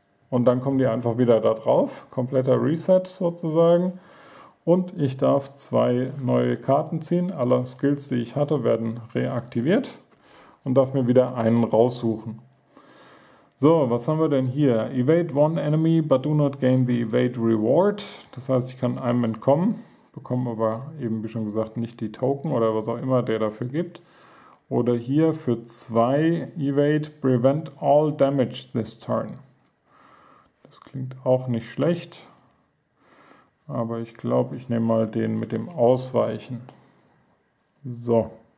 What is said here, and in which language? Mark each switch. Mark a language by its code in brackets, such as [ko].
[de] Und dann kommen die einfach wieder da drauf. Kompletter Reset sozusagen. Und ich darf zwei neue Karten ziehen. Alle Skills, die ich hatte, werden reaktiviert und darf mir wieder einen raussuchen. So, was haben wir denn hier? [en] Evade one enemy, but do not gain the evade reward. [de] Das heißt, ich kann einem entkommen, bekomme aber eben, wie schon gesagt, nicht die Token oder was auch immer der dafür gibt. Oder hier für zwei [en] Evade, prevent all damage this turn. [de] Das klingt auch nicht schlecht. Aber ich glaube, ich nehme mal den mit dem Ausweichen. So.